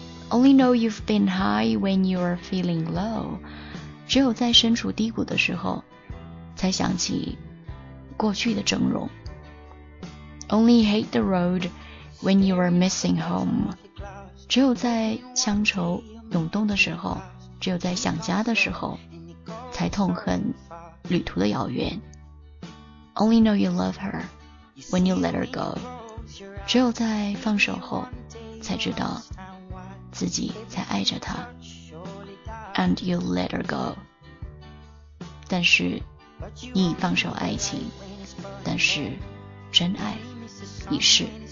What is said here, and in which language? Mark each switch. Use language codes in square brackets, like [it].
[en] Only know you've been high when you're feeling low. [zh] 只有在身处低谷的时候，才想起过去的峥嵘。 [en] Only hate the road when you are missing home. [zh] 只有在乡愁涌动的时候，只有在想家的时候，才痛恨旅途的遥远。 [en] Only know you love her when you let her go. [zh] 只有在放手后，才知道自己才爱着她。 [en] And you let her go. [zh] 但是你放手爱情，但是真爱已逝。